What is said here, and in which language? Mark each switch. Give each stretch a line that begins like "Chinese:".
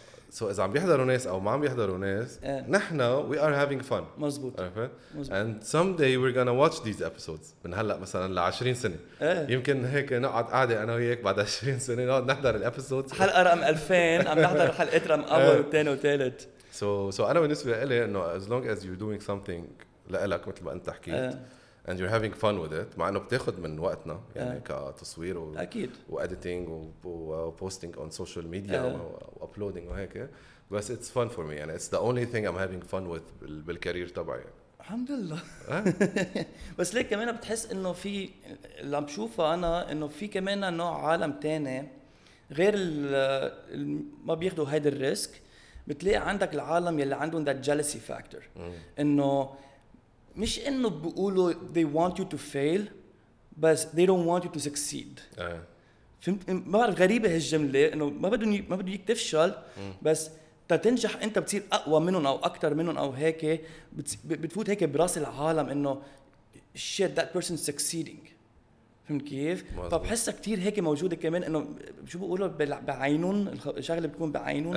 Arabic: سو إذا عم بيحضروا ناس أو ما عم بيحضروا ناس، نحن
English: we are having fun.
Arabic: مزبوط.
English: And someday we're gonna watch these episodes.
Arabic: من هلأ مثلاً لعشرين سنة. يمكن هيك نقعد قاعدة أنا وياك بعد 20 سنة نقعد نحضر الأبسودز. حلقة رقم 2000 عم نحضر حلقة رقم أول والتاني والتالت. So أنا بالنسبة لي إنه
English: as long as you're doing something
Arabic: لألك مثل ما أنت حكيت
English: and you're having fun with it،
Arabic: مع إنه بتاخد من وقتنا يعني كتصوير أكيد وإديتينج وبوستينج
English: on social media
Arabic: وأبلودينج وهيك، بس
English: it's fun for me and it's the only thing I'm having fun with
Arabic: بالكارير تبعي. الحمد لله. بس ليك كمان بتحس إنه في اللي عم بشوفه أنا إنه في كمان نوع عالم تاني غير ال ما بياخدوا هيدا الريسك، بتلاقي عندك العالم يلي عندهم
English: that jealousy factor.
Arabic: إنه مش إنه بيقولوا
English: they want you to fail بس they don't want you to succeed.
Arabic: فهمت؟ ما بعرف، غريبة هالجملة، إنه ما بدون يكتفشل بس تتنجح أنت بتصير أقوى منهم أو أكتر منهم أو هيك، بتفوت هيك براس العالم إنه
English: shit that person succeeding.
Arabic: فهمت كيف؟ فبحسها كتير هيك موجودة كمان، إنه شو بيقولوا بعينون الشغلة بتكون بعينون.